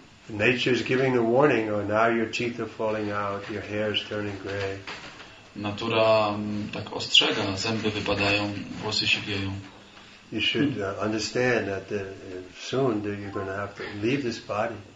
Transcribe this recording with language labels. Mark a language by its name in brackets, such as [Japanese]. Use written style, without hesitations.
[English] Nature is giving the warning, or now your teeth are falling out, your hair is turning gray. [Polish] Natura tak ostrzega, zęby wypadają, włosy się wieją. [English] You should understand that soon you're going to have to leave this body.